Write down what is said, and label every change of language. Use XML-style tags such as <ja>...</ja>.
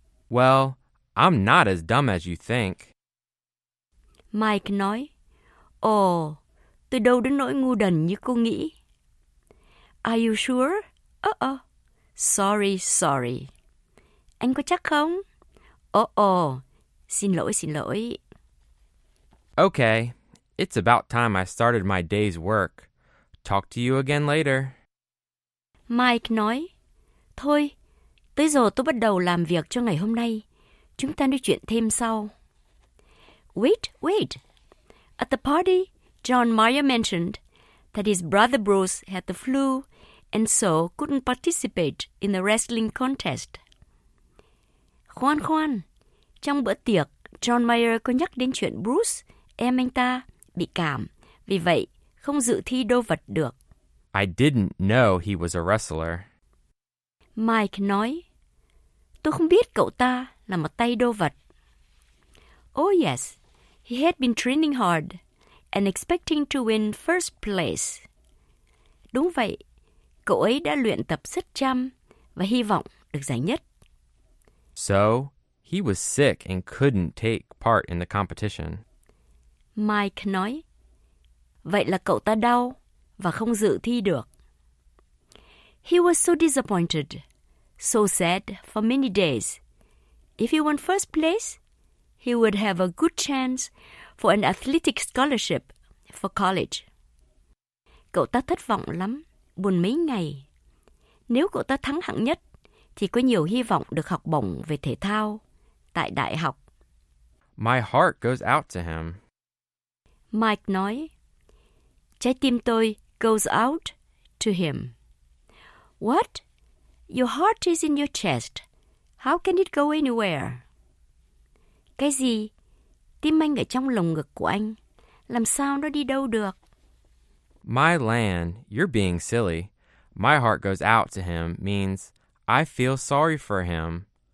<en>Well, I'm not as dumb as you think.</en> <vi>Mike nói, Ồ, tôi đâu đến nỗi ngu đần như cô nghĩ.</vi> <en>Are you sure? Sorry.</en> <vi>Anh có chắc không? Xin lỗi.</vi> <en>Okay, it's about time I started my day's work. Talk to you again later.</en> <vi>Mike nói, thôi, tới giờ tôi bắt đầu làm việc cho ngày hôm nay. Chúng ta nói chuyện thêm sau.</vi> <en>Wait. At the party, John Mayer mentioned that his brother Bruce had the flu and so couldn't participate in the wrestling contest.</en> <vi>Khoan, trong bữa tiệc, John Mayer có nhắc đến chuyện Bruce, em anh ta, bị cảm. Vì vậy, không dự thi đô vật được.</vi> <en>I didn't know he was a wrestler.</en> <vi>Mike nói, tôi không biết cậu ta là một tay đô vật.</vi> <en>Oh yes, he had been training hard and expecting to win first place.</en> <vi>Đúng vậy, cậu ấy đã luyện tập rất chăm và hy vọng được giải nhất.</vi> <en>So, he was sick and couldn't take part in the competition.</en> <vi>Mike nói, vậy là cậu ta đau. Và không dự thi được.</vi> <en>He was so disappointed, so sad for many days. If he won first place, he would have a good chance for an athletic scholarship for college.</en> <vi>Cậu ta thất vọng lắm, buồn mấy ngày. Nếu cậu ta thắng hạng nhất, thì có nhiều hy vọng được học bổng về thể thao tại đại học.</vi> <en>My heart goes out to him.</en> <vi>Mike nói, trái tim tôi</vi> <en>goes out to him. What? Your heart is in your chest. How can it go anywhere?</en> <vi>Cái gì? Tim anh ở trong lồng ngực của anh. Làm sao nó đi đâu được?</vi> <en>My Lan, you're being silly. My heart goes out to him means I feel sorry for him.</en>